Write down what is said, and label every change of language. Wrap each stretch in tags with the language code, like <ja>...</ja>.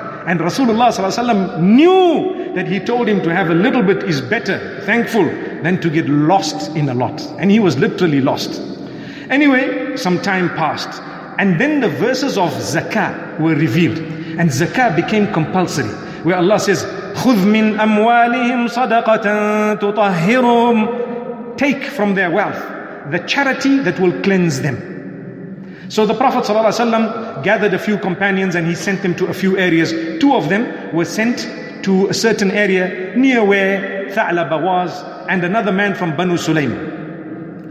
<en>And Rasulullah ﷺ knew that he told him to have a little bit is better, thankful, than to get lost in a lot. And he was literally lost. Anyway, some time passed. And then the verses of zakah were revealed. And zakah became compulsory. Where Allah says,</en> <ar>خُذْ مِنْ أَمْوَالِهِمْ صَدَقَةً تُطَهِّرُهُمْ.</ar> <en>Take from their wealth the charity that will cleanse them. So the Prophet ﷺ gathered a few companions and he sent them to a few areas. Two of them were sent to a certain area near where Tha'labah was, and another man from Banu Sulaym.</en>